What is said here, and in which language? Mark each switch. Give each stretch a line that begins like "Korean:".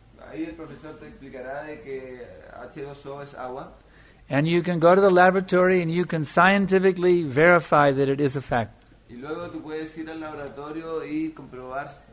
Spanish: Ahí el profesor te explicará de que H2O es agua.
English: And you can go to the laboratory and you can scientifically verify that it is a fact.
Spanish: Y luego tú puedes ir al laboratorio y comprobar.